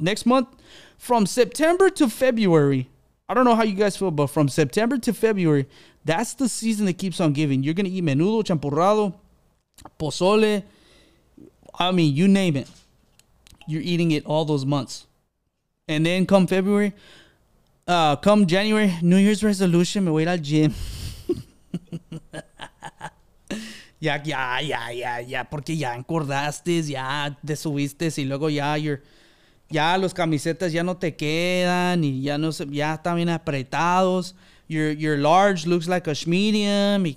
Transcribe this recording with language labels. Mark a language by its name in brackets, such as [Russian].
[English] Next month, from September to February. I don't know how you guys feel, but from September to February, that's the season that keeps on giving. You're gonna eat menudo, champurrado, pozole. I mean, you name it. You're eating it all those months. And then come February, come January, New Year's resolution, me voy al gym. [Spanish] Ya, porque ya encordaste, ya te subiste, y luego ya los camisetas ya no te quedan, y ya no se, ya están bien apretados. [English] Your large looks like a medium.